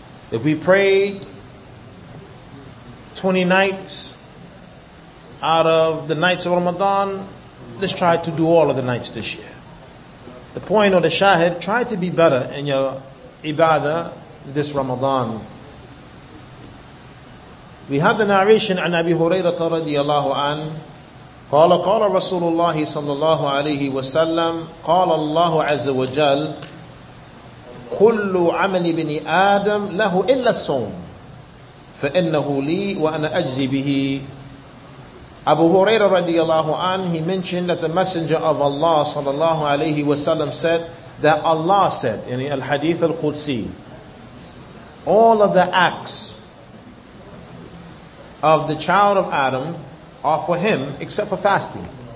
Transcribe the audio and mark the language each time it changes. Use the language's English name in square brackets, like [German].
[English] If we prayed 20 nights out of the nights of Ramadan, let's try to do all of the nights this year. The point or the shahid, try to be better in your ibadah this Ramadan. We have the narration, [Arabic] عن أبي هريرة رضي الله عنه قال قال رسول الله صلى الله عليه وسلم قال الله عز وجل كل عمل بني آدم له إلا الصوم فَإِنَّهُ لِي وَأَنَا أَجْزِي بِهِ. [English] Abu Huraira radiallahu anhu, he mentioned that the Messenger of Allah sallallahu alayhi wasallam said that Allah said, in al-Hadith al-Qudsi, all of the acts of the child of Adam are for him except for fasting.